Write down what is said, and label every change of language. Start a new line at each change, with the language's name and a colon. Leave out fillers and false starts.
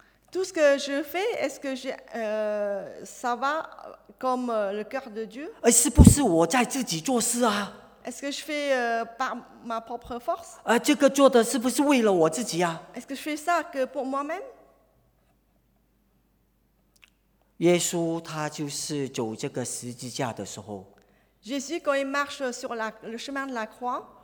French: Tout ce que je fais, est-ce que ça va comme le cœur de Dieu?
Chinese: 是不是我在自己做事啊？
French: Est-ce que je fais par ma propre force?
Chinese: 这个做的是不是为了我自己啊？
French: Est-ce que je fais ça que pour moi-même?
Chinese: 耶稣他就是走这个十字架的时候
French: Jésus quand il marche sur le chemin de la croix